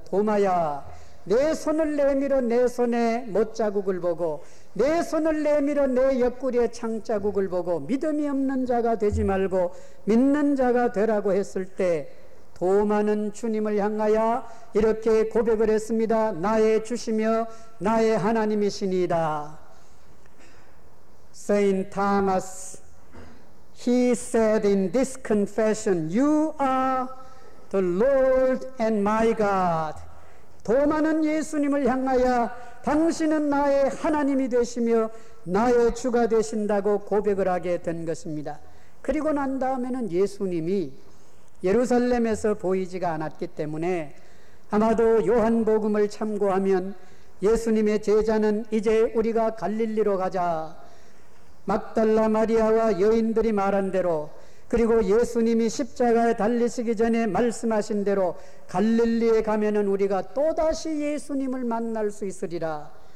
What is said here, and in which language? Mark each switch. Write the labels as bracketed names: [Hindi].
[Korean] 도마야, 내 손을 내밀어 내 손의 못자국을 보고 내 손을 내밀어 내 옆구리의 창자국을 보고 믿음이 없는 자가 되지 말고 믿는 자가 되라고 했을 때 도마는 주님을 향하여 이렇게 고백을 했습니다. 나의 주시며 나의 하나님이시니이다. [English] Saint Thomas, he said in this confession, you are the Lord and my God. [Korean] 도마는 예수님을 향하여 당신은 나의 하나님이 되시며 나의 주가 되신다고 고백을 하게 된 것입니다. 그리고 난 다음에는 예수님이 예루살렘에서 보이지가 않았기 때문에 아마도 요한복음을 참고하면 예수님의 제자는 이제 우리가 갈릴리로 가자, 막달라 마리아와 여인들이 말한 대로 그리고 예수님이 십자가에 달리시기 전에 말씀하신 대로 갈릴리에 가면은 우리가 또다시 예수님을 만날 수 있으리라.